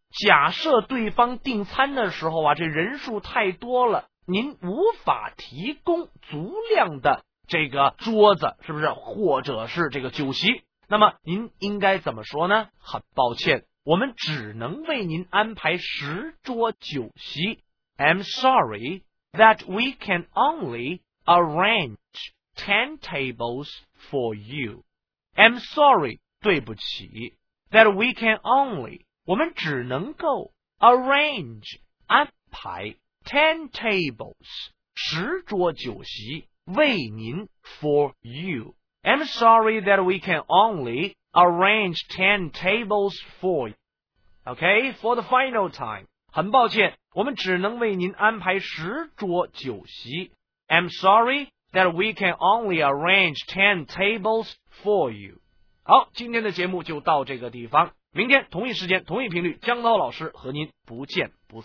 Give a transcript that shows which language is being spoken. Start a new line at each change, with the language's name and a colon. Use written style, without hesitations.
Chinese: 假设对方订餐的时候啊，这人数太多了，您无法提供足量的这个桌子，是不是？或者是这个酒席，那么您应该怎么说呢？很抱歉，我们只能为您安排十桌酒席。
English: I'm sorry that we can only arrange 10 tables for you. I'm sorry,
Chinese: 对不起，
English: that we can only
Chinese: 我们只能够
English: arrange
Chinese: 安排
English: 10 tables
Chinese: 十桌酒席为您
English: for you. I'm sorry that we can only arrange 10 tables for you. OK, for the final time.
Chinese: 很抱歉，我们只能为您安排十桌酒席。
English: I'm sorry that we can only arrange 10 tables for you.
Chinese: 好，今天的节目就到这个地方。明天同一时间同一频率，江涛老师和您不见不散。